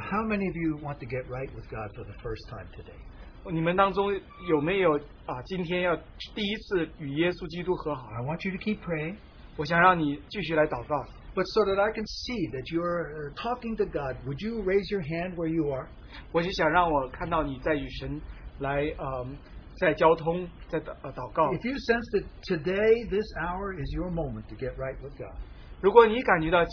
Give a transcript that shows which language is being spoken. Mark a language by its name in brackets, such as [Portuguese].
[English] Now, how many of you want to get right with God for the first time today? [Chinese] 你们当中有没有, 今天要第一次与耶稣基督和好? [English] I want you to keep praying. [Chinese] 我想让你继续来祷告。 [English] But so that I can see that you're talking to God, would you raise your hand where you are? [Chinese] 我就想让我看到你在与神来, 在交通, 在祷告。 [English] If you sense that today, this hour is your moment to get right with God,